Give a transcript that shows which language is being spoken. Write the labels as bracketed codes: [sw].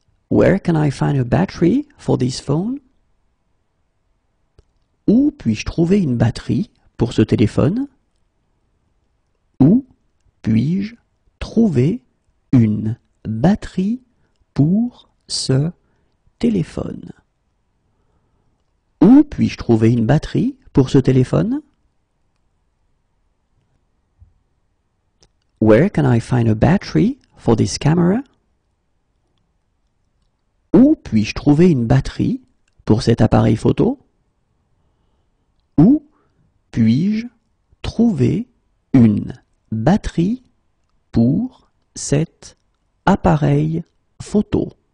[en] Where can I find a battery for this phone? [fr] Où puis-je trouver une batterie pour ce téléphone? Où puis-je trouver une batterie pour ce téléphone? Où puis-je trouver une batterie pour ce téléphone? [en] Where can I find a battery for this camera? [fr] Où puis-je trouver une batterie pour cet appareil photo? Où puis-je trouver une batterie pour cet appareil photo?